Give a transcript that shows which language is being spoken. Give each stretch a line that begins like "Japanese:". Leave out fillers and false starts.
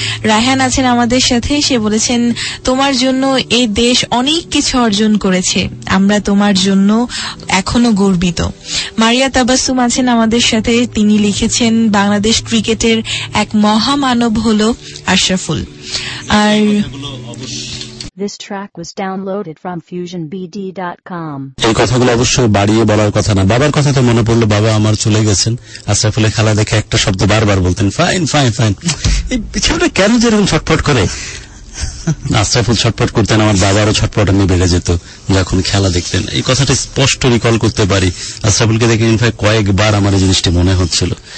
Bangla: রায়হান আছেন আমাদের সাথে, সে বলেছেন তোমার জন্য এ দেশ অনেক কিছু অর্জন করেছে, আমরা তোমার জন্য এখনো গর্বিত। মারিয়া তাবাসুম আছেন আমাদের সাথে, তিনি লিখেছেন বাংলাদেশ ক্রিকেটের এক মহামানব হল আশরাফুল। আর
English: This track was downloaded from fusionbd.com.
Bangla: এই কথাগুলো অবশ্যই বাড়িয়ে বলার কথা না। বাবার কথা তো মনে পড়লো, বাবা আমার চলে গেছেন, আশরাফুল খেলা দেখে একটা শব্দ বারবার বলতেন,
English: fine fine fine,
Bangla: এই বিছানা কেন যেরকম ছটফট করে, আশরাফুল ছটফট করতেন আমার বাবারও ছটফটানি বেড়ে যেত যখন খেলা দেখতেন। এই কথাটা স্পষ্ট রিকল করতে পারি, আশরাফুলকে দেখে
English: in fact
Bangla: কয়েকবার আমার এই জিনিসটি মনে হচ্ছিল।